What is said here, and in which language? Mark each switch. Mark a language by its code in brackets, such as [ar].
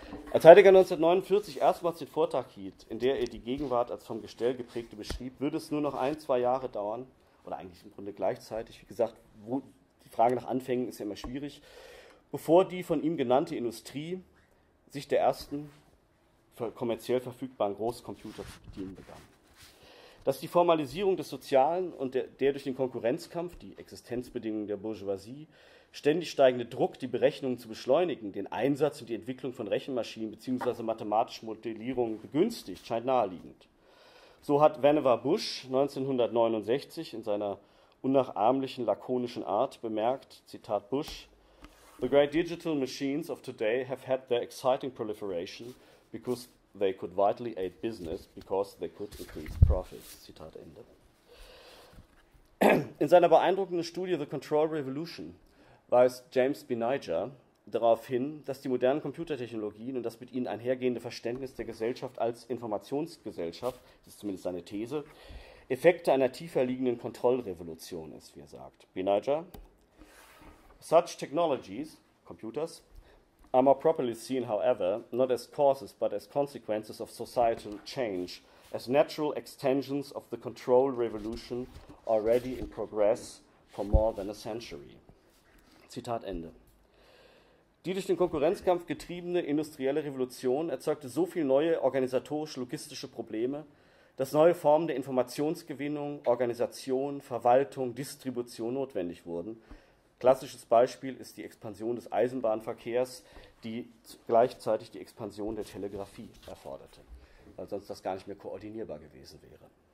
[de] Als Heidegger 1949 erstmals den Vortrag hielt, in der er die Gegenwart als vom Gestell geprägte beschrieb, würde es nur noch ein, zwei Jahre dauern, oder eigentlich im Grunde gleichzeitig, wie gesagt, die Frage nach Anfängen ist ja immer schwierig, bevor die von ihm genannte Industrie sich der ersten kommerziell verfügbaren Großcomputer zu bedienen begann. Dass die Formalisierung des Sozialen und der durch den Konkurrenzkampf, die Existenzbedingungen der Bourgeoisie, ständig steigende Druck, die Berechnungen zu beschleunigen, den Einsatz und die Entwicklung von Rechenmaschinen bzw. mathematischen Modellierungen begünstigt, scheint naheliegend. So hat Vannevar Bush 1969 in seiner unnachahmlichen, lakonischen Art bemerkt, Zitat Bush, [en] "The great digital machines of today have had their exciting proliferation because they could vitally aid business because they could increase profits." [de] Zitat Ende. In seiner beeindruckenden Studie The Control Revolution weist James B. Niger darauf hin, dass die modernen Computertechnologien und das mit ihnen einhergehende Verständnis der Gesellschaft als Informationsgesellschaft, das ist zumindest seine These, Effekte einer tiefer liegenden Kontrollrevolution ist, wie er sagt. B. [en] Niger, such technologies, computers, are more properly seen, however, not as causes, but as consequences of societal change, as natural extensions of the control revolution already in progress for more than a century. [de] Zitat Ende. Die durch den Konkurrenzkampf getriebene industrielle Revolution erzeugte so viele neue organisatorisch-logistische Probleme, dass neue Formen der Informationsgewinnung, Organisation, Verwaltung, Distribution notwendig wurden. Klassisches Beispiel ist die Expansion des Eisenbahnverkehrs, die gleichzeitig die Expansion der Telegrafie erforderte, weil sonst das gar nicht mehr koordinierbar gewesen wäre.